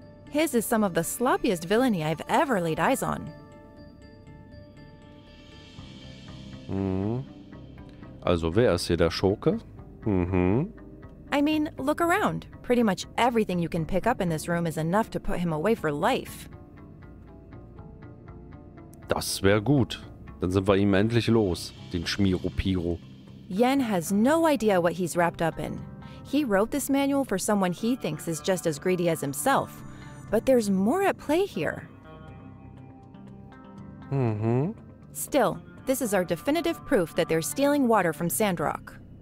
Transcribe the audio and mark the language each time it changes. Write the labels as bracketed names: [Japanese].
[English] His is some of the sloppiest villainy I've ever laid eyes on. [German] Also wer ist hier der Schurke? [English] I mean, look around. Pretty much everything you can pick up in this room is enough to put him away for life. [German] Das wäre gut. Dann sind wir ihm endlich los, den Schmiropiro. [English] Yen has no idea what he's wrapped up in. He wrote this manual for someone he thinks is just as greedy as himself. But there's more at play here. Still, this is our definitive proof that they're stealing water from Sandrock.